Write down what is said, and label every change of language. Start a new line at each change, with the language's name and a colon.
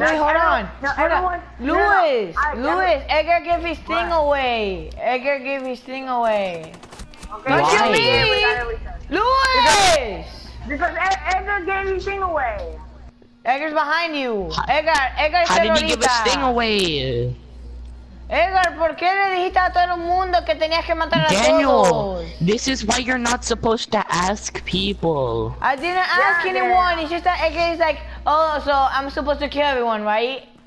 English: Wait, hold on. Luis! Luis! Edgar gave his thing away. Edgar gave his thing away. Okay. Don't kill me! Luis! Because Edgar gave his thing away. Edgar's behind you. Edgar said ahorita. How did he give his thing away?
Spanish: Edgar, ¿por qué le dijiste a todo el mundo que tenías que matar a todos?
English: Daniel, this is why you're not supposed to ask people. I didn't ask anyone. It's just that Edgar is like, oh, so I'm supposed to kill everyone, right?